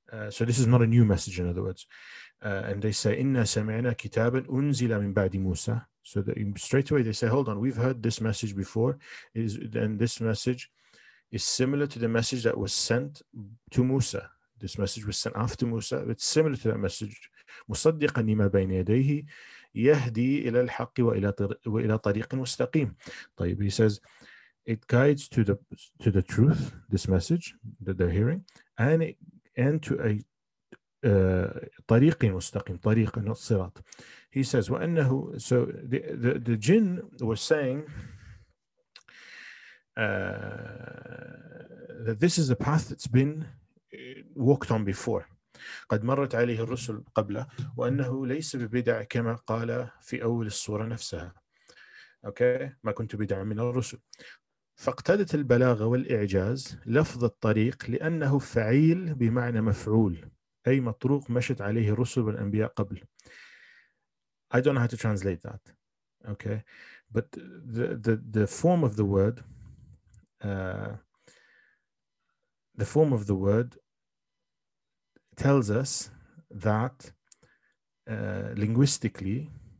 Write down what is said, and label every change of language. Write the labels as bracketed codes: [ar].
[en] So this is not a new message, in other words. And they say, [ar] "Inna sami'na kitaban unzila min ba'di Musa." [en] So that straight away they say, "Hold on, we've heard this message before." This message is similar to the message that was sent to Musa. This message was sent after Musa. It's similar to that message. [ar] مُصَدِّقًا لِمَا بَيْنَ يَدَيْهِ يَهْدِي إِلَى الْحَقِّ وَإِلَى طَرِيقٍ مُسْتَقِيمٍ. طيب, [en] he says, it guides to the truth, this message that they're hearing, and it, and to a [ar] طريق مستقيم, [en] طريق not صراط. He says, وأنه, so the jinn was saying that this is the path that's been walked on before. [ar] قد مرت عليه الرسل قبله وأنه ليس ببدع كما قال في أول الصورة نفسها. Okay, ما كنت بدع من الرسل. فاقتدت البلاغة والإعجاز لفظ الطريق لأنه فعيل بمعنى مفعول أي مطروق مشت عليه الرسل والأنبياء قبل. [en] I don't know how to translate that. Okay, but the form of the word the form of the word tells us that linguistically